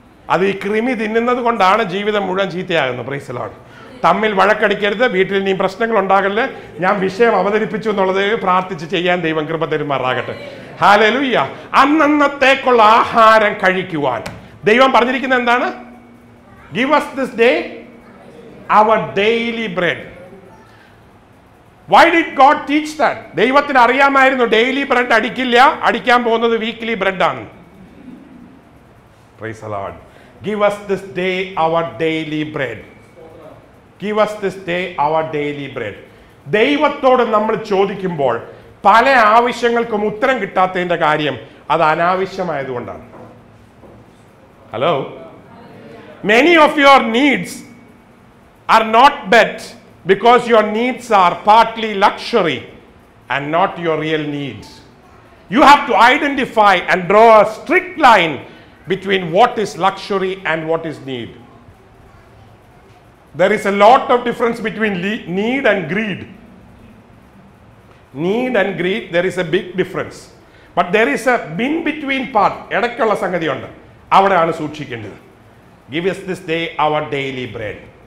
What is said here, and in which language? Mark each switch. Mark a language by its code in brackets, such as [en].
[ml] അത് ഈ കൃമി തിന്നുന്നത് കൊണ്ടാണ് ജീവിതം മുഴുവൻ ചീത്തയാകുന്നത്. [en] Praise the lord. [ml] തമ്മിൽ വഴക്കടിക്കരുത്, വീട്ടിൽ ഇനിയും പ്രശ്നങ്ങൾ ഉണ്ടാകല്ലേ. ഞാൻ വിഷയം അവതരിപ്പിച്ചു എന്നുള്ളത് പ്രാർത്ഥിച്ച് ചെയ്യാൻ ദൈവം കൃപ തരുമാറാകട്ടെ. ഹല്ലേലൂയാ. അന്നന്നത്തേക്കുള്ള ആഹാരം കഴിക്കുവാൻ ദൈവം പറഞ്ഞിരിക്കുന്നത് എന്താണ്? [en] Give us this day our daily bread. Why did God teach that? [ml] ദൈവത്തിന് അറിയാമായിരുന്നു ഡെയിലി ബ്രെഡ് അടിക്കില്ല, അടിക്കാൻ പോകുന്നത് വീക്ക്ലി ബ്രെഡ് ആണ്. [en] Praise the lord. Give us this day our daily bread. Give us this day our daily bread. [ml] ദൈവത്തോട് നമ്മൾ ചോദിക്കുമ്പോൾ പല ആവശ്യങ്ങൾക്കും ഉത്തരം കിട്ടാത്തതിന്റെ കാര്യം അത് അനാവശ്യമായതുകൊണ്ടാണ്. Hello. [en] Many of your needs are not met because your needs are partly luxury and not your real needs. You have to identify and draw a strict line between what is luxury and what is need. There is a lot of difference between need and greed. Need and greed, there is a big difference. But there is a in-between part. [ml] ഇടയ്ക്കുള്ള സംഗതിയുണ്ട്. അവിടെയാണ് സൂക്ഷിക്കേണ്ടത്. [en] Give us this day our daily bread.